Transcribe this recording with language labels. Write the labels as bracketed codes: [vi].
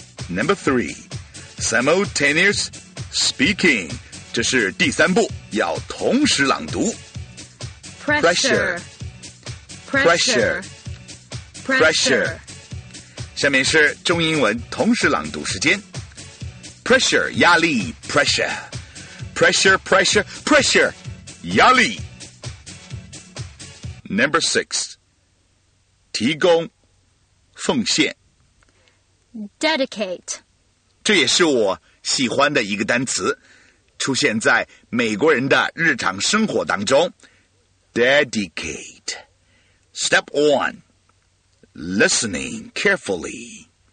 [en] Number three, simultaneous speaking. [zh] 这是第三步，要同时朗读。 [en] Pressure. Pressure. Pressure. Pressure. [zh] 下面是中英文同时朗读时间。 [en] Pressure, [zh] 压力 [en] pressure. Pressure, pressure, pressure, [zh] 压力。 [en] Number six, [zh] 提供奉献。 [en] Dedicate. [zh] 这也是我喜欢的一个单词，出现在美国人的日常生活当中。 [en] Dedicate. Step one, listening carefully.